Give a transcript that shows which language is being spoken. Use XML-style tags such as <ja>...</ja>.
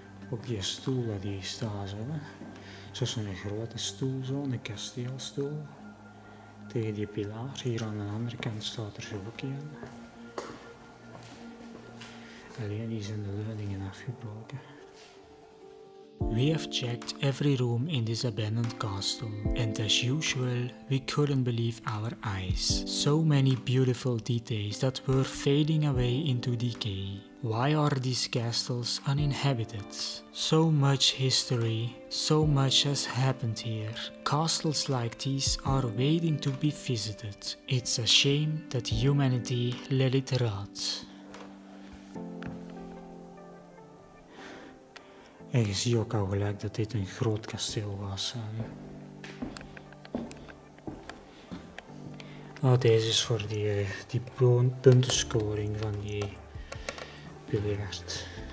<nl>Ook die stoel dat hier staat. Hè? Zo zo'n grote stoel, zo, een kasteelstoel. Tegen die pilaar. Hier aan de andere kant staat er ook een. Alleen hier zijn de leuningen afgebroken.</nl> <en>We have checked every room in this abandoned castle. And as usual, we couldn't believe our eyes. So many beautiful details that were fading away into decay. Why are these castles uninhabited? So much history, so much has happened here. Castles like these are waiting to be visited. It's a shame that humanity let it rot.</en> <nl>En je ziet ook al gelijk dat dit een groot kasteel was. Oh, deze is voor die puntenscoring van die... biljart.</nl>